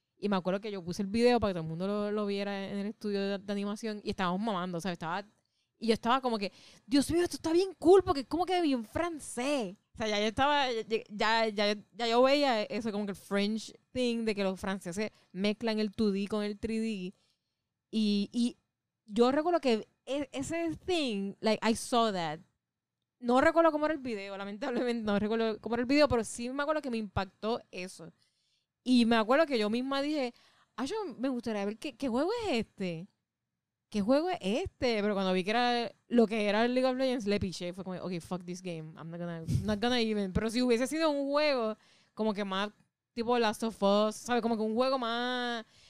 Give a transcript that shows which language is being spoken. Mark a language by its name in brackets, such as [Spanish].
[Spanish] Y me acuerdo que yo puse el video para que todo el mundo lo viera en el estudio de animación. Y estábamos mamando, o sea, y yo estaba como que, Dios mío, esto está bien cool, porque es como que bien francés. O sea, ya yo veía eso como que el French thing, de que los franceses mezclan el 2D con el 3D. Y yo recuerdo que ese thing, [English] like, I saw that. [Spanish] No recuerdo cómo era el video, lamentablemente no recuerdo cómo era el video, pero sí me acuerdo que me impactó eso. Y me acuerdo que yo misma dije, ay, yo me gustaría ver qué juego es este. ¿Qué juego es este? Pero cuando vi que era lo que era el League of Legends, le piché. Fue como, ok, [English] fuck this game. I'm not gonna even. [Spanish] Pero si hubiese sido un juego como que más tipo Last of Us, ¿sabes? Como que un juego más...